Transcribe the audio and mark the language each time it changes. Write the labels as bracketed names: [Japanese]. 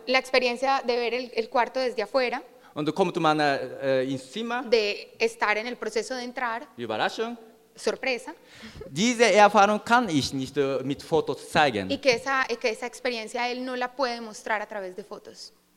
[Spanish] La experiencia de ver el cuarto desde afuera. [German] Und kommt man ins Zimmer. [Spanish] De estar en el proceso de entrar. [German] Überraschung. [Spanish] Sorpresa. [German] Diese Erfahrung kann ich nicht mit Fotos zeigen. [Spanish] Y que esa experiencia él no la puede mostrar a través de fotos.